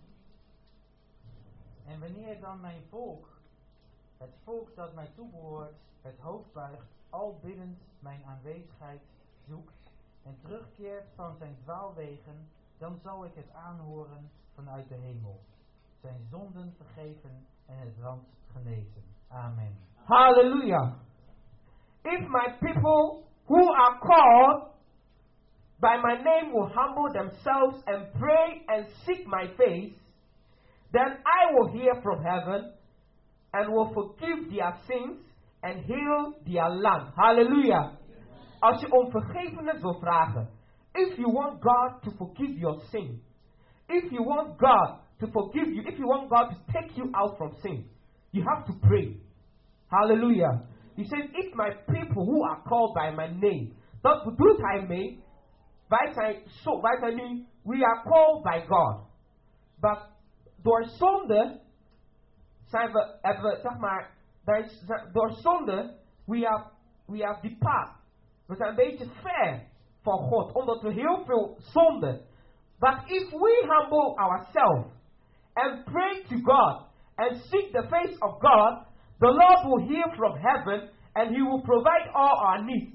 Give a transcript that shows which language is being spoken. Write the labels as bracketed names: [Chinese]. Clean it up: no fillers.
[Dutch] Twee Kronieken 7:14. En wanneer dan mijn volk, het volk dat mij toebehoort, het hoofd buigt, al biddend mijn aanwezigheid zoekt en terugkeert van zijn dwaalwegen, dan zal ik het aanhoren vanuit de hemel, zijn zonden vergeven en het land genezen. Amen. Halleluja. [English] If my people who are called by my name will humble themselves and pray and seek my face, then I will hear from heaven and will forgive their sins and heal their land. Hallelujah. [Dutch] Als je om vergevenis wil vragen, [English] if you want God to forgive your sin, if you want God to forgive you, if you want God to take you out from sin, you have to pray. Hallelujah. He says, if my people who are called by my name, [Dutch] dat bedoelt hij mee, wij zijn nu, [English] we are called by God. [Dutch] Maar door zonde, [English] we are depart. [Dutch] We zijn een beetje ver van God, omdat we heel veel zonde. [English] But if we humble ourselves and pray to God and seek the face of God, the Lord will hear from heaven, and he will provide all our needs.